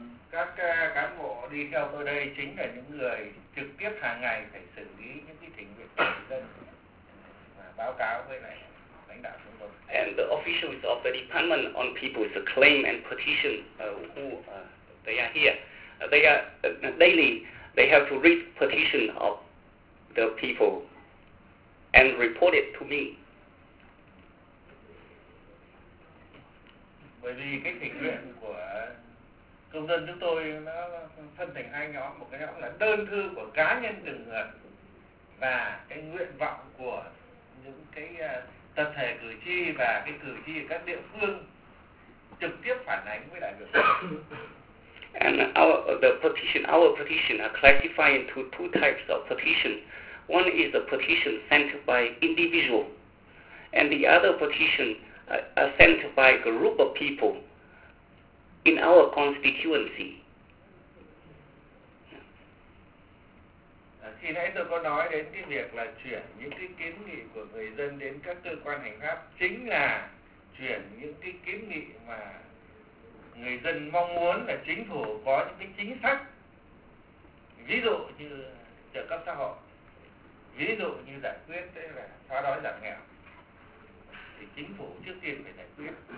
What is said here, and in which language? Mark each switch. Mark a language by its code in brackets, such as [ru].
[vi] Các cán bộ đi theo tôi đây chính là những người trực tiếp hàng ngày phải xử lý những cái thỉnh nguyện của người dân và báo cáo với lại lãnh đạo chúng tôi. [en] And the officials of the Department on People's Claim and Petition, they are here. They are daily. They have to read petition of the people and report it to me. [vi] Bởi vì cái thỉnh nguyện của công dân chúng tôi nó phân thành hai nhóm, một cái nhóm là đơn thư của cá nhân từng người và cái nguyện vọng của những cái tập thể cử tri và cái cử tri ở các địa phương trực tiếp phản ánh với đại biểu. [en] And our petition are classified into two types of petition. One is the petition sent by individual, and the other petition are sent by a group of people in our constituency. [vi] Khi nãy tôi có nói đến cái việc là chuyển những cái kiến nghị của người dân đến các cơ quan hành pháp chính là chuyển những cái kiến nghị mà người dân mong muốn là chính phủ có những cái chính sách, ví dụ như trợ cấp xã hội, ví dụ như giải quyết đấy là xóa đói giảm nghèo, thì chính phủ trước tiên phải giải quyết.